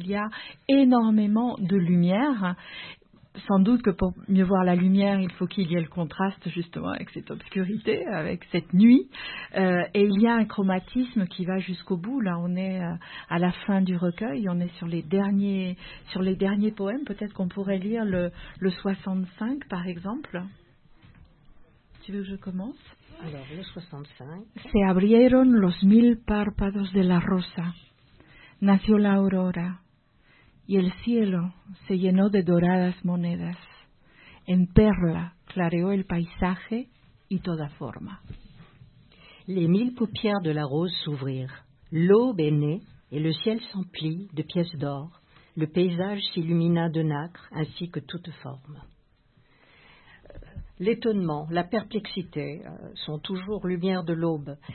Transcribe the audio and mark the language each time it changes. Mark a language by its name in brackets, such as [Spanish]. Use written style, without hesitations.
[French] Il y a énormément de lumière. Sans doute que pour mieux voir la lumière, il faut qu'il y ait le contraste justement avec cette obscurité, avec cette nuit. Et il y a un chromatisme qui va jusqu'au bout. Là, on est à la fin du recueil, on est sur les derniers poèmes. Peut-être qu'on pourrait lire le 65, par exemple. Tu veux que je commence? Alors, le 65. [Spanish] Se abrieron los mil párpados de la rosa. Nació la aurora. y el cielo se llenó de doradas monedas. En perla clareó el paisaje y toda forma. [French] Les mille paupières de la rose s'ouvrirent. L'aube est née et le ciel s'emplit de pièces d'or. Le paysage s'illumina de nacre ainsi que toute forme. L'étonnement, la perplexité sont toujours lumière de l'aube.